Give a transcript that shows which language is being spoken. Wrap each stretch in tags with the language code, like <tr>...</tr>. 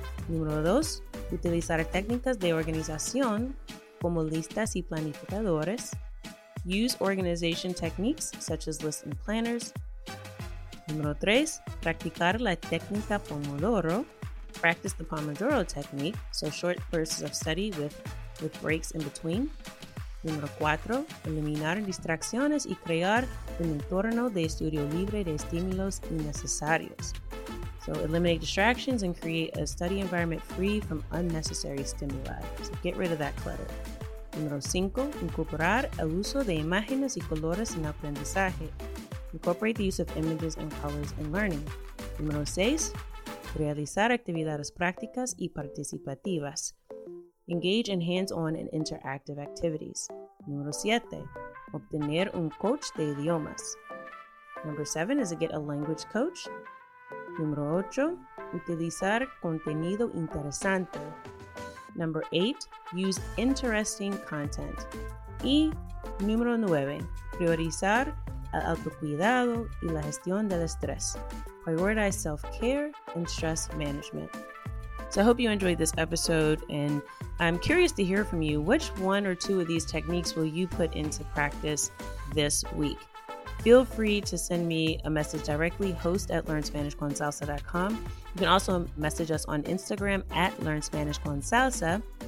<es>Número 2, utilizar técnicas de organización como listas y planificadores.</es> <en>Use organization techniques such as lists and planners.</en> <es>Número 3, practicar la técnica Pomodoro.</es> <en>Practice the Pomodoro technique, so short bursts of study with breaks in between.</en> <es>Número 4, eliminar distracciones y crear un entorno de estudio libre de estímulos innecesarios.</es> <en>So eliminate distractions and create a study environment free from unnecessary stimuli. So get rid of that clutter.</en> <es>Número 5, incorporar el uso de imágenes y colores en aprendizaje.</es> <en>Incorporate the use of images and colors in learning.</en> <es>Número 6, realizar actividades prácticas y participativas.</es> <en>Engage in hands-on and interactive activities.</en> <es>Número 7, obtener un coach de idiomas.</es> <en>Number 7 is to get a language coach.</en> <es>Número 8, utilizar contenido interesante.</es> <en>Number 8, use interesting content.</en> <es>Y número 9, priorizar el autocuidado y la gestión del estrés.</es> <en>Prioritize self-care and stress management. So I hope you enjoyed this episode, and I'm curious to hear from you. Which one or two of these techniques will you put into practice this week? Feel free to send me a message directly, host@learnspanishconsalsa.com. You can also message us on Instagram @learnspanishconsalsa.</en>